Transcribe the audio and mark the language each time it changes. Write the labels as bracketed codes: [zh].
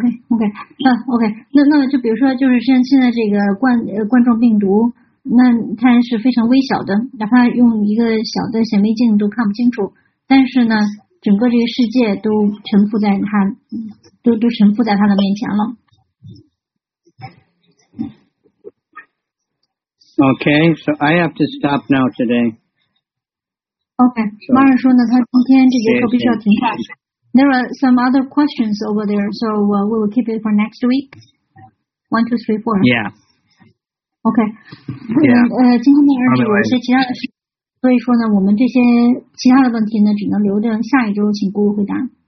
[zh] OK, 那就比如说就是像现在这个冠状病毒，那它是非常微小的，哪怕用一个小的显微镜都看不清楚，但是呢整个这个世界都沉浮在它都沉浮在它的面前了。 [en] OK, so I have to stop now today. [zh] OK, 马尔说呢他今天这节课必须要停下。 [en] There are some other questions over there, so we will keep it for next week. 1, 2, 3, 4. Yeah. Okay. Yeah. [zh] 今天的问题有些其他的事，所以说呢，我们这些其他的问题呢，只能留着下一周请姑姑回答。